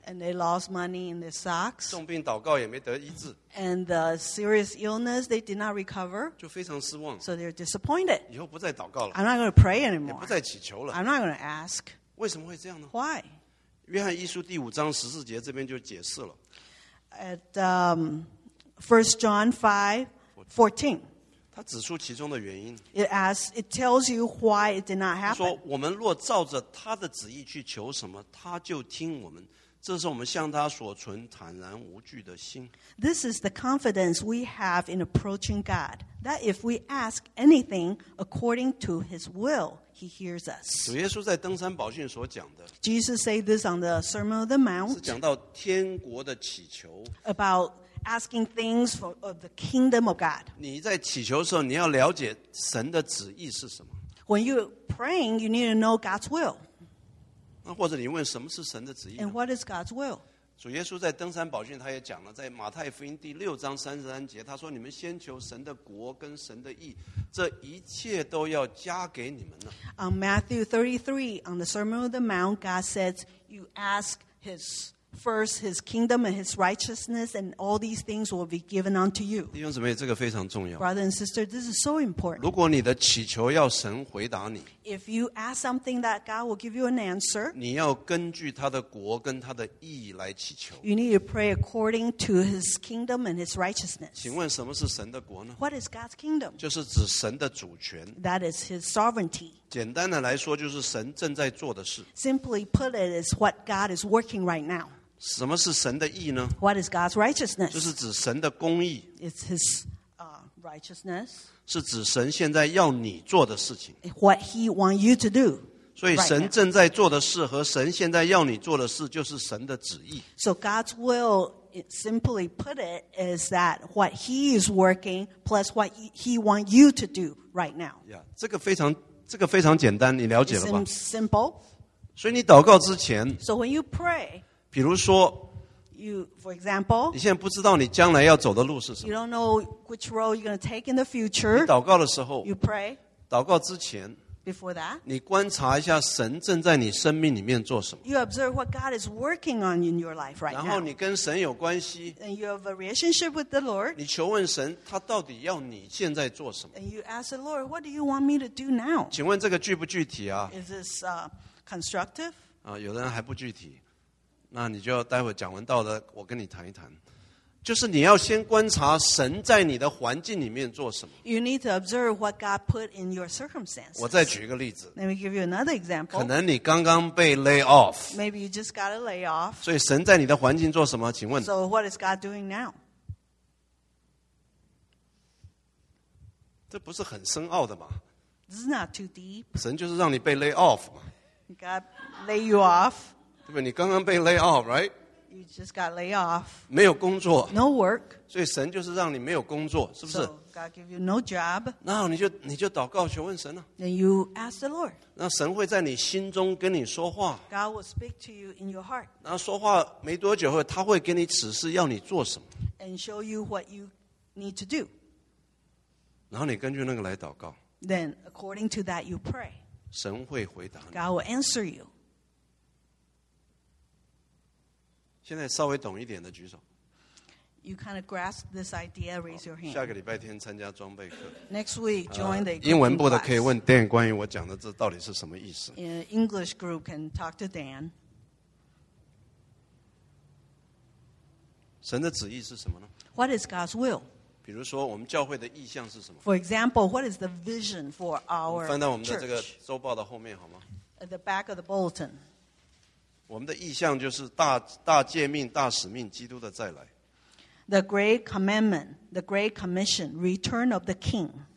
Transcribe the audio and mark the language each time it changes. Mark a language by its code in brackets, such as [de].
[en] And they lost money in their stocks. [zh] 重病祷告也没得医治。 [en] And the serious illness, they did not recover. [zh] 就非常失望。 [en] So they're disappointed. [zh] 以后不再祷告了。 [en] I'm not going to pray anymore. [zh] 也不再祈求了。 [en] I'm not going to ask. [zh] 为什么会这样呢？ [en] Why? [zh] 约翰一书第五章十四节这边就解释了。 [en] At First John 5:14. [zh] 他指出其中的原因。 [en] It asks, it tells you why it did not happen. [zh] 说我们若照着他的旨意去求什么，他就听我们。这是我们向他所存坦然无惧的心。 [en] This is the confidence we have in approaching God, that if we ask anything according to his will, he hears us. [zh] 主耶稣在登山宝训所讲的。 [en] Jesus said this on the Sermon of the Mount. [zh] 是讲到天国的祈求。 [en] About asking things for of the kingdom of God. [zh] 你在祈求的时候，你要了解神的旨意是什么。 [en] When you praying, you need to know God's will. [zh] 那或者你问什么是神的旨意呢？ [en] And what is God's will? [zh] 主耶稣在登山宝训他也讲了，在马太福音第六章三十三节，他说：“你们先求神的国跟神的义，这一切都要加给你们了。” [en] On Matthew 33, on the Sermon of the Mount, God says, "You ask His." First, his kingdom and his righteousness, and all these things will be given unto you. [zh] 弟兄姊妹，这个非常重要。 [en] Brother and sister, this is so important. [zh] 如果你的祈求要神回答你， [en] if you ask something that God will give you an answer, [zh] 你要根据他的国跟他的义来祈求。 [en] You need to pray according to his kingdom and his righteousness. [zh] 请问什么是神的国呢？ [en] What is God's kingdom? [zh] 就是指神的主权。 [en] That is his sovereignty. [zh] 简单的来说，就是神正在做的事。 [en] Simply put, it is what God is working right now. [zh] 什么是神的义呢？ [en] What is God's righteousness? [zh] 就是指神的公义。 [en] It's His righteousness. [zh] 是指神现在要你做的事情。 [en] What He wants you to do. [zh] 所以神正在做的事和神现在要你做的事，就是神的旨意。 [en] So God's will, simply put, it is that what He is working plus what He wants you to do right now. Yeah, [zh] 这个非常简单，你了解了吧？ [en] It's simple. [zh] 所以你祷告之前， [en] So when you pray, [zh] 比如说， [en] you, for example, [zh] 你现在不知道你将来要走的路是什么， [en] you don't know which road you're going to take in the future, [zh] 你祷告的时候， [en] you pray, [zh] 祷告之前， [en] before that, [zh] 你观察一下神正在你生命里面做什么， [en] you observe what God is working on in your life right now, [zh] 然后你跟神有关系， [en] and you have a relationship with the Lord, [zh] 你求问神他到底要你现在做什么， [en] and you ask the Lord, what do you want me to do now? [zh] 请问这个具不具体啊？ [en] Is this constructive? [zh] 有的人还不具体，那你就待会讲完道的我跟你谈一谈。就是你要先观察神在你的环境里面做什么。 [en] You need to observe what God put in your circumstances. [zh] 我再举一个例子。 [en] Let me give you another example. [zh] 可能你刚刚被 lay off. [en] Maybe you just got a lay off. [zh] 所以神在你的环境做什么？请问。 [en] So what is God doing now? [zh] 这不是很深奥的吗？ [en] This is not too deep. [zh] 神就是让你被 lay off 嘛。 [en] God lay you off. [zh] 对不对？你刚刚被 lay off, [en] right? You just got laid off. [zh] 没有工作。 [en] No work. [zh] 所以神就是让你没有工作，是不是？ [en] So God give you no job. [zh] 那你就祷告求问神了。 [en] Then you ask the Lord. [zh] 那神会在你心中跟你说话。 [en] God will speak to you in your heart. [zh] 那说话没多久后，他会给你指示要你做什么。 [en] And show you what you need to do. [zh] 然后你根据那个来祷告。 [en] Then according to that you pray. [zh] 神会回答你。 [en] God will answer you. [zh] 现在稍微懂一点的举手。 [en] You kind of grasp this idea, raise your hand. [zh] 下个礼拜天参加装备课。 [en] Next week, join the [zh] 英文部的可以问 Dan 关于我讲的这到底是什么意思。 [en] English group can talk to Dan. [zh] 神的旨意是什么呢？ [en] What is God's will? [zh] 比如说我们教会的意向是什么？ [en] For example, what is the vision for our church? [zh] 翻到我们的这个周报的后面好吗？ [en] At the back of the bulletin. [zh] 我们的意向就是大诫命大使命基督的再来。 [en] The great commandment, the great commission, return of the king.